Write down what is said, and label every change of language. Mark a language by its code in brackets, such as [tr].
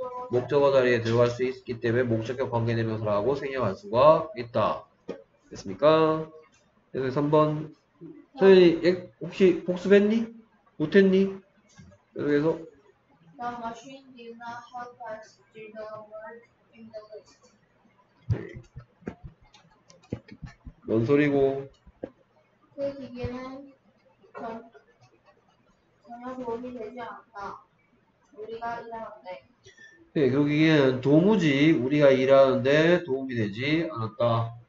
[ko] 목적어 자리에 들어갈 수 있기 때문에 목적격 관계대명사라고 생략할 수가 있다. 됐습니까? 그래서 3번 서윤이 혹시 복습했니? 못했니? 그래서 [en] The machine did not help us do the work in the list. [ko] 뭔 소리고? 그 기계는 전혀 도움이 되지 않았다. 우리가 일하는데 네, 그 기계는 도무지 우리가 일하는데 도움이 되지 않았다.